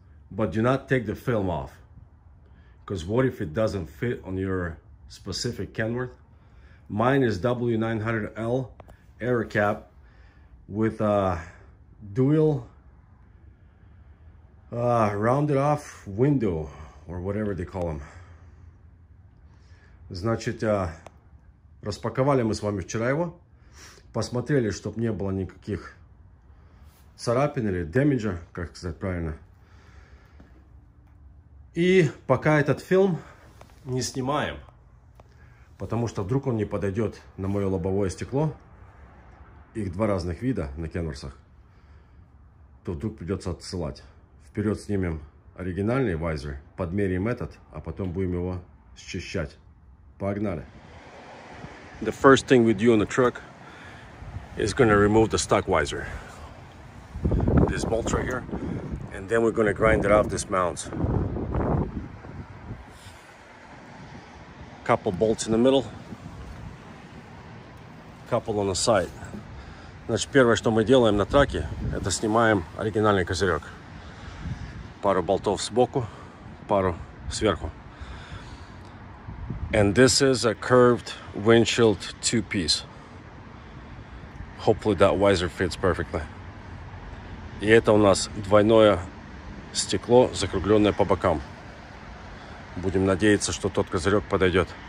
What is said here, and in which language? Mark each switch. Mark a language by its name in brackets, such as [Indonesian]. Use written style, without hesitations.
[English] But do not take the film off. Because what if it doesn't fit on your specific Kenworth? Mine is W900L air cap with a dual rounded off window, or whatever they call them. [Russian] Значит, распаковали мы с вами вчера его, посмотрели, чтобы не было никаких царапин или damage, как сказать правильно. И пока этот фильм не снимаем. Потому что вдруг он не подойдет на мое лобовое стекло. Их два разных вида на Кенворсах. То вдруг придется отсылать. Вперед снимем оригинальный визор. Подмерим этот. А потом будем его счищать. Погнали. [English] The first thing we do on the truck is going to remove the stock visor. This bolt right here. And then we're going to grind it off this mount. Couple bolts in the middle, couple on the side. [Russian] Значит, первое, что мы делаем на траке, это снимаем оригинальный козырек. Пару болтов сбоку, пару сверху. [English] And this is a curved windshield two-piece. Hopefully that visor fits perfectly. [Russian] И это у нас двойное стекло, закругленное по бокам. Будем надеяться, что тот козырек подойдет.